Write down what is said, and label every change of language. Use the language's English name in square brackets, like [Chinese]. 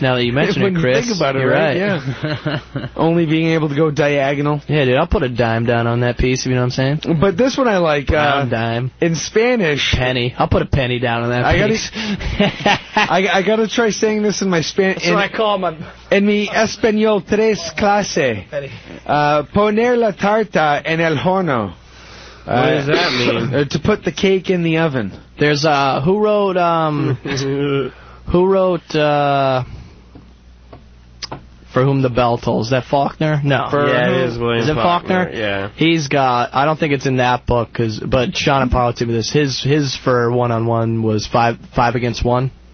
[English] Now that you mention when it, Chris, you think about it, you're right. Yeah. Only being able to go diagonal. Yeah, dude, I'll put a dime down on that piece. If you know what I'm saying. But this one I like. Dime. In Spanish. Penny. I'll put a penny down on that piece. I gotta try saying this in my Spanish. That's what I call my. [Spanish] En mi español tres clase. Poner la tarta en el horno. [English] What does that mean? To put the cake in the oven. There's who wrote who wrote For Whom the Bell Tolls? Is that Faulkner? No. Is it Faulkner? Yeah. He's got. I don't think it's in that book, but Sean and Paul told me this. His for one on one was five against one.